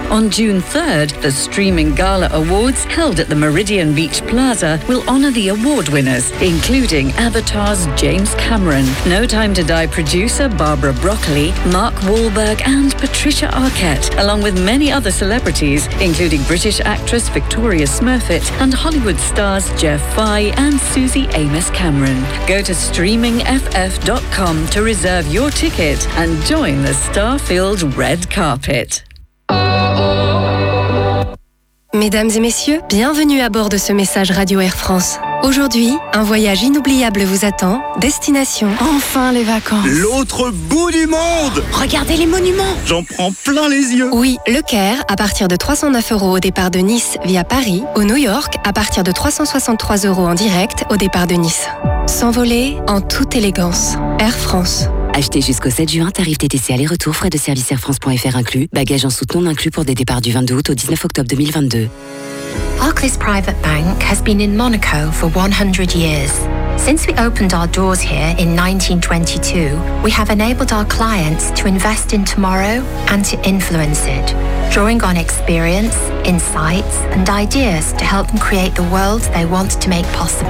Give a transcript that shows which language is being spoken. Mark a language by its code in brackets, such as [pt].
[en] On June 3rd, the Streaming Gala Awards, held at the Meridian Beach Plaza, will honour the award winners, including Avatar's James Cameron, No Time to Die producer Barbara Broccoli, Mark Wahlberg and Patricia Arquette, along with many other celebrities, including British actress Victoria Smurfit and Hollywood stars Jeff Fye and Susie Amos Cameron. Go to streamingff.com to reserve your ticket and join the star-filled red carpet. [fr] Mesdames et messieurs, bienvenue à bord de ce message Radio Air France. Aujourd'hui, un voyage inoubliable vous attend. Destination, enfin les vacances. L'autre bout du monde. Regardez les monuments. J'en prends plein les yeux. Oui, le Caire, à partir de 309 € au départ de Nice via Paris, ou New York, à partir de 363 € en direct au départ de Nice. S'envoler en toute élégance. Air France. Achetez jusqu'au 7 juin, tarif TTC aller-retour, frais de service airfrance.fr inclus, bagages en soutenant inclus pour des départs du 22 août au 19 octobre 2022. [en] Barclays Private Bank has been in Monaco for 100 years. Since we opened our doors here in 1922, we have enabled our clients to invest in tomorrow and to influence it, drawing on experience, insights and ideas to help them create the world they want to make possible.